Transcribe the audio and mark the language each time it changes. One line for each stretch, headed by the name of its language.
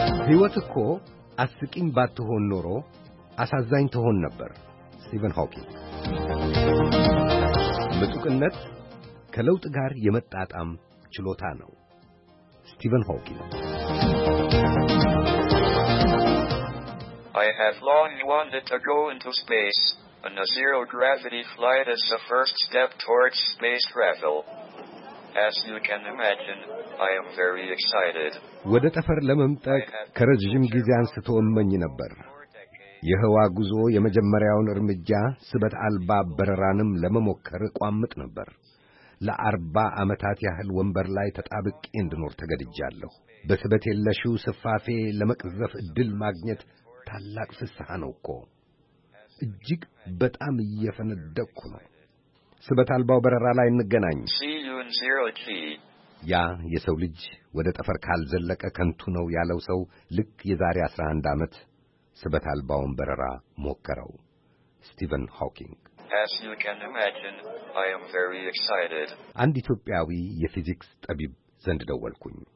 Amharic: ህይወት እኮ አስቂኝ ባትሆን ኖሮ አሳዛኝ ትሆን ነበር። ስቲቨን ሆኪንግ። ምጡቅነት ከለውጥ ጋር የመጣጣም ችሎታ ነው። ስቲቨን ሆኪንግ።
English: I have long wanted to go into space, and a zero gravity flight is the first step towards space travel. As you can imagine, I am very excited.
Amharic: ወደ ጠፈር ለመምጣት ከረጅም ጊዜ አንስቶ እመኝ ነበር። የህዋ ጉዞ የመጀመሪያውን እርምጃ ስበት አልባ በረራንም ለመሞከር ቋምጥ ነበር። ለአርባ ዓመታት ያህል ወንበር ላይ ተጣብቄ እንድኖር ተገድጃለሁ። በስበት የለሹ ስፋፌ ለመቅዘፍ እድል ማግኘት ታላቅ ፍስሐ ነው እኮ። እጅግ በጣም እየፈነደኩ ነው። ስበት አልባው በረራ ላይ እንገናኝ። ያ የሰው ልጅ ወደ ጠፈር ካልዘለቀ ከንቱ ነው ያለው ሰው ልክ የዛሬ 11 ዓመት ስበት አልባውን በረራ ሞከረው። ስቲቨን ሆኪንግ።
English: As you can imagine, I am very excited.
Amharic: አንድ ኢትዮጵያዊ የፊዚክስ ጠቢብ ዘንድ ደወልኩኝ።